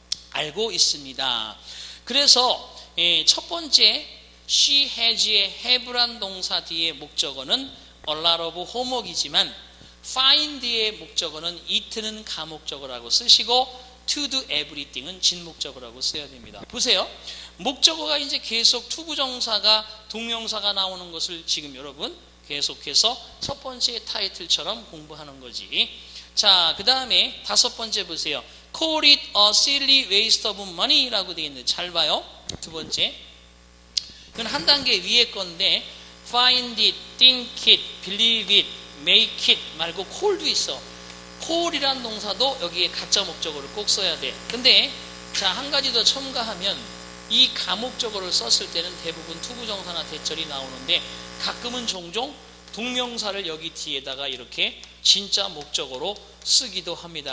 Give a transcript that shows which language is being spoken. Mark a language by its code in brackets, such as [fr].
[ko] 알고 있습니다. 그래서 첫 번째 she has의 have란 동사 뒤에 목적어는 a lot of homework이지만 find의 목적어는 it는 가목적어라고 쓰시고 to do everything은 진목적어라고 써야 됩니다. 보세요. 목적어가 이제 계속 투부정사가 동명사가 나오는 것을 지금 여러분 계속해서 첫 번째 타이틀처럼 공부하는 거지. 자, 그 다음에 다섯 번째 보세요. [en] Call it a silly waste of money [ko] 라고 되어 있는데 잘 봐요. 두 번째 이건 한 단계 위에 건데 [en] find it, think it, believe it, make it [ko] 말고 call도 있어. call이란 동사도 여기에 가짜 목적어를 꼭 써야 돼. 근데 자, 한 가지 더 첨가하면 이 가목적어를 썼을 때는 대부분 투부정사나 대절이 나오는데 가끔은 종종 동명사를 여기 뒤에다가 이렇게 진짜 목적어로 쓰기도 합니다.